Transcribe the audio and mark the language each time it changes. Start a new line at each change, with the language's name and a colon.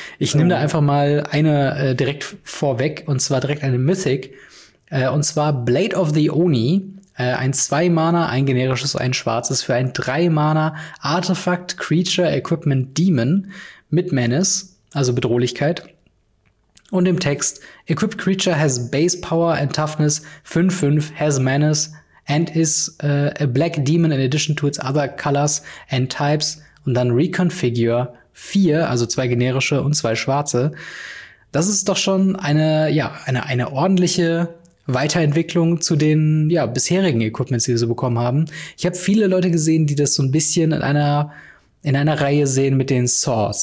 German: Ich nehme da einfach mal eine direkt vorweg, und zwar direkt eine Mythic. Und zwar Blade of the Oni. Ein 2-Mana, ein generisches, ein schwarzes für ein 3-Mana Artifact Creature Equipment Demon mit Menace, also Bedrohlichkeit. Und im Text,
English: Equipped Creature has Base Power and Toughness 5-5, has Menace and is a Black Demon in addition to its other colors and types.
German: Und dann Reconfigure 4, also 2 generische und 2 schwarze. Das ist doch schon eine ordentliche Weiterentwicklung zu den bisherigen Equipments, die wir so bekommen haben. Ich habe viele Leute gesehen, die das so ein bisschen in einer Reihe sehen mit den Swords.